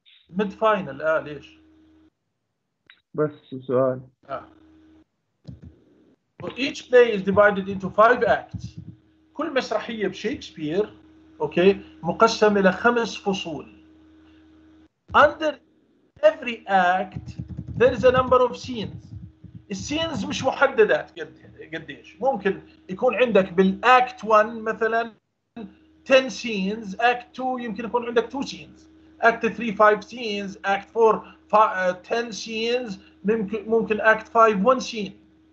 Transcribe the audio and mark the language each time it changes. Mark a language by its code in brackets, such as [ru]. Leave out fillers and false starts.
[ar] ميد فاينل. آه ليش؟ بس سؤال. آه. [en] Each play is divided into five acts. [ar] كل مسرحية بشيكسبير أوكي مقسم إلى خمس فصول. [en] Under every act there is a number of scenes. [ar] السينز مش محددة قديش، ممكن يكون عندك بالأكت 1 مثلا 10 سينز، أكت 2 يمكن يكون عندك 2 سينز، أكت 3 5 سينز، أكت 4 10 سينز، ممكن أكت 5 1 سين.